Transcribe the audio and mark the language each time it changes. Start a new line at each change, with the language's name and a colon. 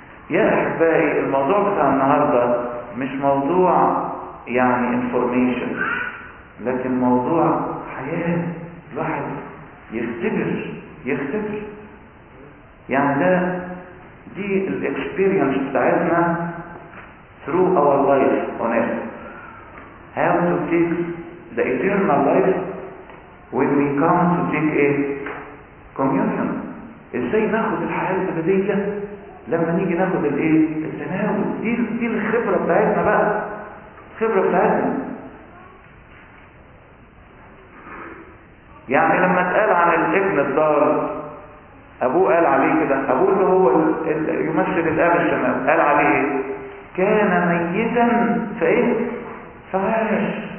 Arabic: يا أحبائي الموضوع بتاع النهاردة مش موضوع يعني information، لكن موضوع حياة. الواحد يختبر، يختبر يعني ده دي الاكسبيرينس بتاعتنا
English: through our life on earth. How to take the eternal life when we come to take a communion.
Arabic: ازاي ناخد الحياة الابدية لما نيجي ناخد الايه؟ التناول. دي الخبرة بتاعتنا بقى، الخبرة بتاعتنا. يعني لما اتقال عن الابن الضار، ابوه قال عليه كده، ابوه اللي هو يمثل الاب الشمال، قال عليه كان ميتا فايه؟ فعاش.